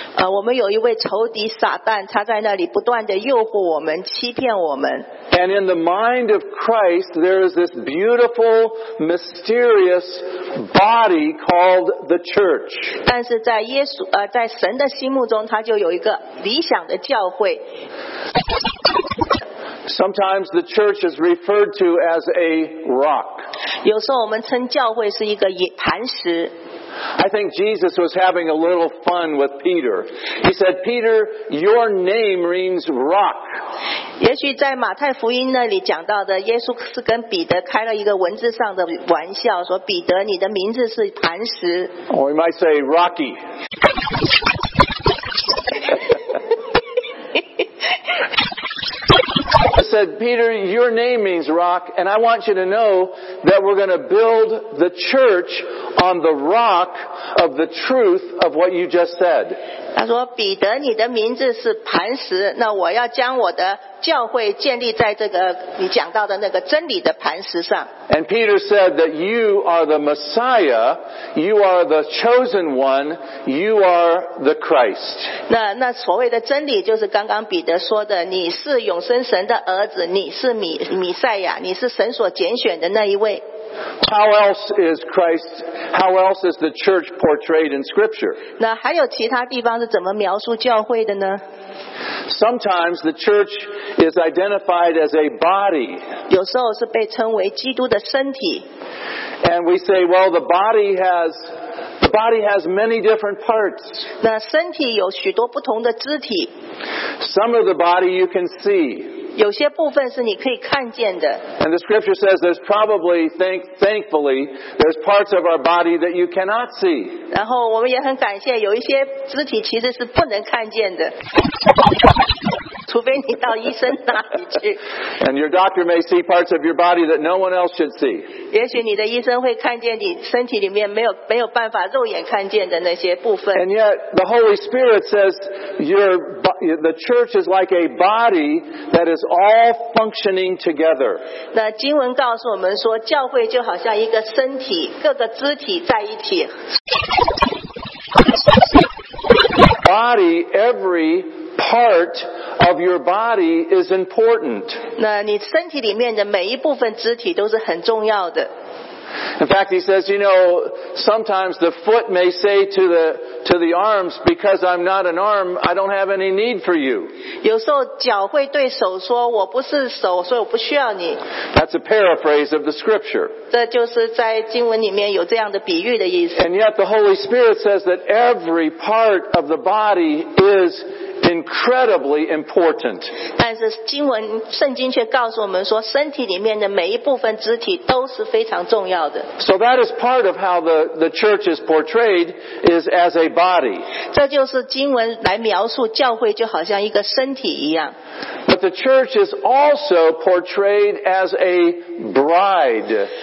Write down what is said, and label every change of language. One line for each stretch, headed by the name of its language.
Chinese: 我们有一位仇敌撒旦，他在那里不断地诱惑我们，欺骗我们。
English: And in the mind of Christ, there is this beautiful, mysterious body called the church.
Chinese: 但是在耶稣在神的心目中，他就有一个理想的教会。
English: Sometimes the church is referred to as a rock.
Chinese: 有时候我们称教会是一个磐石。
English: I think Jesus was having a little fun with Peter. He said, Peter, your name means rock.
Chinese: 也许在马太福音那里讲到的，耶稣是跟彼得开了一个文字上的玩笑，说彼得，你的名字是磐石。
English: Or we might say rocky. said, Peter, your name means rock, and I want you to know that we're going to build the church on the rock of the truth of what you just said.
Chinese: 他说，彼得，你的名字是磐石，那我要将我的教会建立在这个你讲到的那个真理的磐石上。
English: And Peter said that you are the Messiah, you are the chosen one, you are the Christ.
Chinese: 那所谓的真理就是刚刚彼得说的，你是永生神的儿子，你是弥赛亚，你是神所拣选的那一位。
English: How else is Christ, how else is the church portrayed in Scripture?
Chinese: 那还有其他地方是怎么描述教会的呢？
English: Sometimes the church is identified as a body.
Chinese: 有时候是被称为基督的身体。
English: And we say, well, the body has many different parts.
Chinese: 那身体有许多不同的肢体。
English: Some of the body you can see.
Chinese: 有些部分是你可以看见的。
English: And the scripture says there's probably, thankfully, there's parts of our body that you cannot see.
Chinese: 然后我们也很感谢，有一些肢体其实是不能看见的。除非你到医生那里去。
English: And your doctor may see parts of your body that no one else should see.
Chinese: 也许你的医生会看见你身体里面没有办法肉眼看见的那些部分。
English: And yet, the Holy Spirit says the church is like a body that is all functioning together.
Chinese: 那经文告诉我们说，教会就好像一个身体，各个肢体在一起。
English: Body, every part of your body is important.
Chinese: 那你身体里面的每一部分肢体都是很重要的。
English: In fact, he says, you know, sometimes the foot may say to the arms, because I'm not an arm, I don't have any need for you.
Chinese: 有时候脚会对手说，我不是手，所以我不需要你。
English: That's a paraphrase of the scripture.
Chinese: 这就是在经文里面有这样的比喻的意思。
English: And yet the Holy Spirit says that every part of the body is incredibly important.
Chinese: 但是经文圣经却告诉我们说，身体里面的每一部分肢体都是非常重要的。
English: So that is part of how the church is portrayed is as a body.
Chinese: 这就是经文来描述教会就好像一个身体一样。
English: But the church is also portrayed as a bride.